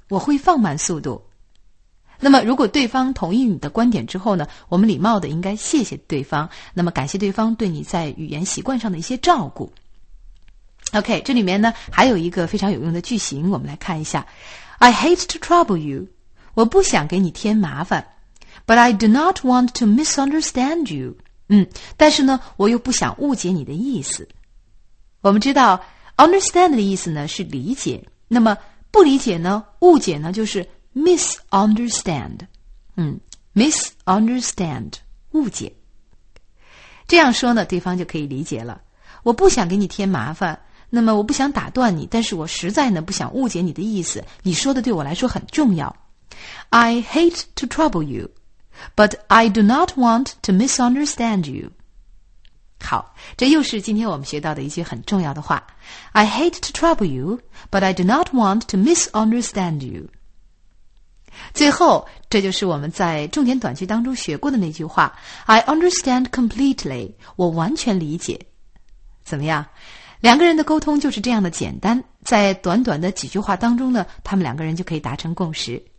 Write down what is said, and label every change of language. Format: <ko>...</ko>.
<zh>我会放慢速度。那么如果对方同意你的观点之后呢，我们礼貌的应该谢谢对方，那么感谢对方对你在语言习惯上的一些照顾。 OK, 这里面呢还有一个非常有用的句型，我们来看一下。</zh> <en>I hate to trouble you,</en> <zh>我不想给你添麻烦。</zh> <en>But I do not want to misunderstand you.</en> <zh>但是呢，我又不想误解你的意思。我们知道 understand 的意思呢是理解，那么不理解呢，误解呢就是 misunderstand。 Misunderstand， 误解。这样说呢，对方就可以理解了。我不想给你添麻烦，那么我不想打断你，但是我实在呢不想误解你的意思。你说的对我来说很重要。</zh> <en>I hate to trouble you. But I do not want to misunderstand you.</en> <zh>好，这又是今天我们学到的一句很重要的话。</zh> <en>I hate to trouble you, but I do not want to misunderstand you.</en> <zh>最后，这就是我们在重点短句当中学过的那句话。</zh> <en>I understand completely.</en> <zh>我完全理解。怎么样？两个人的沟通就是这样的简单，在短短的几句话当中呢，他们两个人就可以达成共识。</zh>